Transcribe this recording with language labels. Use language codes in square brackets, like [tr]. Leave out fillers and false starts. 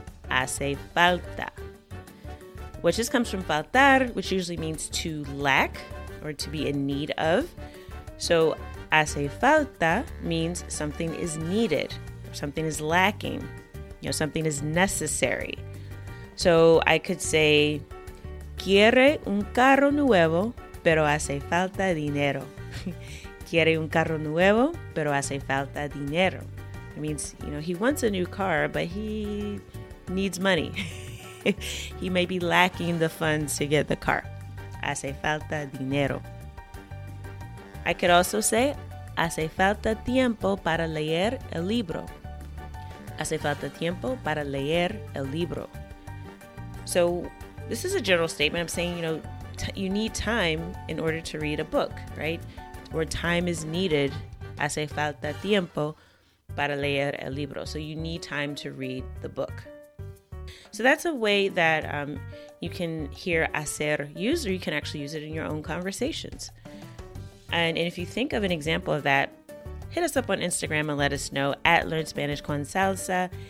[es] Hace falta. [en] Which just comes from faltar, which usually means to lack or to be in need of. So, hace falta means something is needed, something is lacking, you know, something is necessary. So, I could say, [es] quiere un carro nuevo, pero hace falta dinero. Quiere un carro nuevo, pero hace falta dinero. [en] It means, you know, he wants a new car, but he needs money. He may be lacking the funds to get the car. [es] Hace falta dinero. [en] I could also say, [es] hace falta tiempo para leer el libro. Hace falta tiempo para leer el libro. [en] So this is a general statement. I'm saying, you know, you need time in order to read a book, right? Where time is needed. [es] Hace falta tiempo para leer el libro. [en] So you need time to read the book. So that's a way that you can hear hacer used, or you can actually use it in your own conversations. And if you think of an example of that, hit us up on Instagram and let us know at Learn Spanish con Salsa.